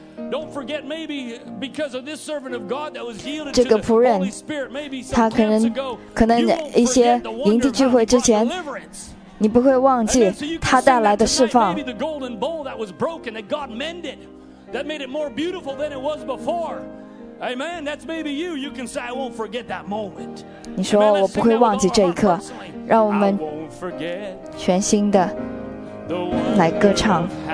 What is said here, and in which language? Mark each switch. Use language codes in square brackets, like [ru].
[en] Don't forget, maybe because of this servant of God that was yielded to the Holy Spirit, maybe some camps ago, you won't forget [zh] 这个仆人，他可能一些营地聚会之前，你不会忘记他带来的释放。 [en] Maybe the golden bowl that was broken that God mended, that made it more beautiful than it was before. Amen. That's maybe you. You can say, "I won't forget that moment." [zh] 你说我不会忘记这一刻，让我们全新的来歌唱。